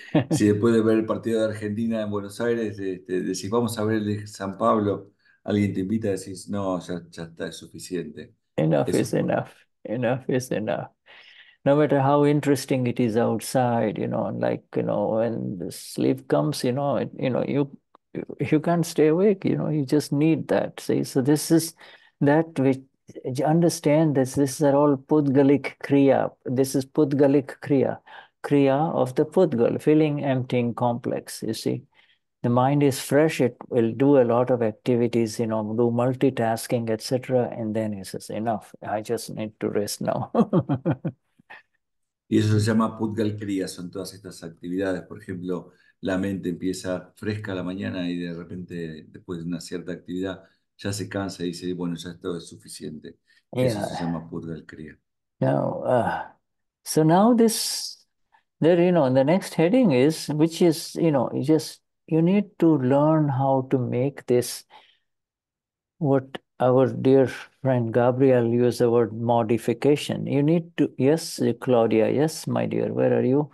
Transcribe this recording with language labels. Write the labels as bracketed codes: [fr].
[es] Si después de ver el partido de Argentina en Buenos Aires, decís, vamos a ver el de San Pablo, alguien te invita, decís, no, ya está, es suficiente. [en] Enough is enough. Enough is enough. No matter how interesting it is outside, you know, like, you know, when the sleep comes, you know, you can't stay awake, you know, you just need that. See, so this is that which, understand this, this is all Pudgalic Kriya. This is Pudgalic Kriya. Kriya of the Pudgal, filling, emptying, complex, you see. The mind is fresh, it will do a lot of activities, you know, do multitasking, etc. And then it says, enough, I just need to rest now. [es] Y eso se llama Pudgal Kriya, son todas estas actividades. Por ejemplo, la mente empieza fresca a la mañana y de repente, después de una cierta actividad, ya se cansa y dice, bueno, ya esto es suficiente. Eso yeah. se llama Pudgal Kriya. [en] Now, so now this... There, you know, the next heading is, which is, you know, you just, you need to learn how to make this, what our dear friend Gabriel used the word modification. You need to, yes, Claudia, yes, my dear, where are you?